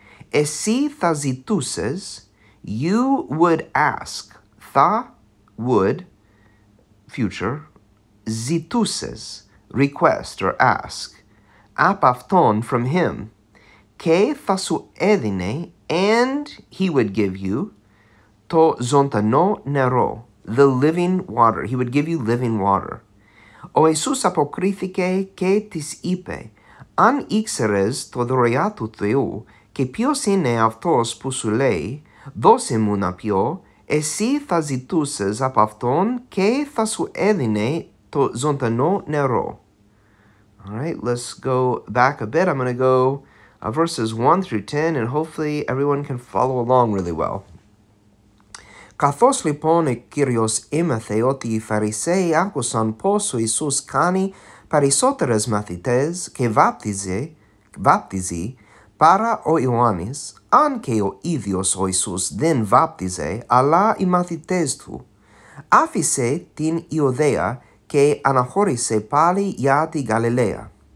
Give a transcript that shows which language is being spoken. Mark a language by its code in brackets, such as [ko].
[en] Εσύ θα ζητούσες, you would ask, Tha, would, future, zitouses, request or ask, [el] ap afton, [en] from him, [el] ke tha sou edine, [en] and he would give you, [el] to zontano nero, [en] the living water, he would give you living water. [el] O Jesus apokrithike ke tis ipe, Αν ήξερες το δωρεά του Θεού και ποιος είναι αυτός που σου λέει, δώσε μου να πιω, εσύ θα ζητούσες από αυτόν και θα σου έδινε το ζωντανό νερό. [en] All right, let's go back a bit. I'm going to go verses 1 through 10, and hopefully everyone can follow along really well. [el] Καθώς λοιπόν ο Κύριος έμαθε ότι οι Φαρισαίοι άκουσαν πως ο Ιησούς κάνει περισσότερες μαθητές και βάπτιζε παρά ο Ιωάννης, αν και ο ίδιος ο Ιησούς δεν βάπτιζε, αλλά οι μαθητές του, άφησε την Ιουδαία και αναχώρησε πάλι για τη Γαλιλαία.